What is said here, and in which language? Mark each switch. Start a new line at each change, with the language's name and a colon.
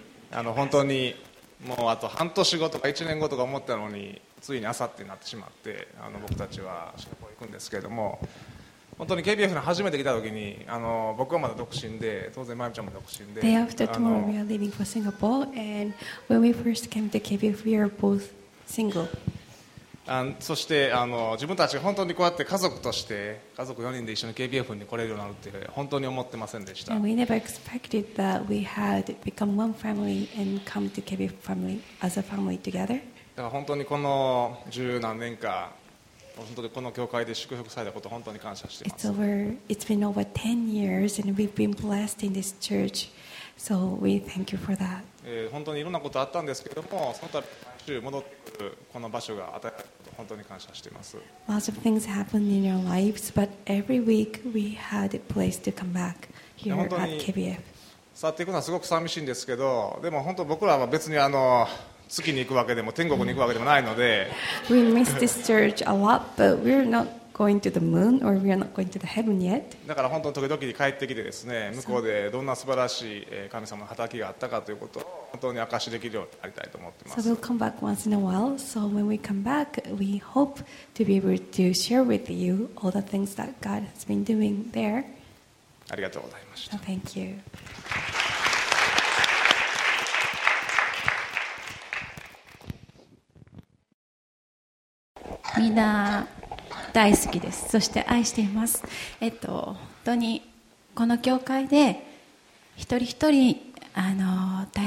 Japanese: 本当にもうあと半年後とか1年後とか思ったのについに明後日になってしまって、僕たちはシンガポール行くんですけれども、本当に KBF に初めて来た時に僕はまだ独身で、当然まゆみちゃんも独身で、
English: Day after tomorrow we are leaving for Singapore and when we first came to KBF we are both single.
Japanese: そして自分たちが本当にこうやって家族として、家族4人で一緒に KBF に来れるようになるって本当に思ってませんでした。
English: We never expected that we had become one family and come to KBF family as a family together.
Japanese: だから本当にこの十何年間、本当にこの教会で祝福されたことを本当に感謝しています。
English: It's been over 10 years and we've been blessed in this church. So we thank you for that.
Japanese: 本当にいろんなことあったんですけども、その度戻ってくるこの場所が与えられること本当に感謝しています。
English: Lots of things happened in our lives, but every week we had a place to come back here at KBF.
Japanese: 去っていくのはすごく寂しいんですけど、でも本当僕らは別に月に行くわけでも天国に行くわけでもないので、
English: We miss this church a lot, but we're not going to the moon or we're not going to the heaven yet.
Japanese: だから本当に時々に帰ってきてですね、向こうでどんな素晴らしい神様の働きがあったかということを本当に証しできるようになりたいと思ってます。
English: So we'll come back once in a while. So when we come back, we hope to be able to share with you all the things that God has been doing there.
Japanese: ありがとうございました。
English: So thank you.
Japanese: みんな大好きです。そして愛しています。本当にこの教会で一人一人大